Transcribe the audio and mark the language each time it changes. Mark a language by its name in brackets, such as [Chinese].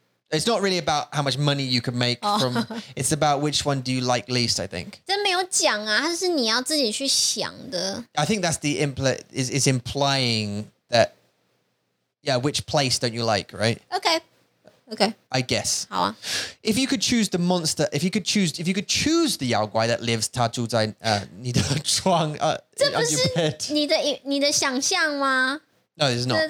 [English] It's not really about how much money you can make from. It's about which one do you like least, I think. [Chinese] 这没有讲啊，它是你要自己去想的。I [English] think that's the is implying that, yeah, which place don't you like, right? Okay. I guess. [Chinese] 好啊。 [English] If you could choose the monster, if you could choose the 妖怪 that lives [Chinese] 它住在你的床，这不是你的想象吗？ [English] No, it's not.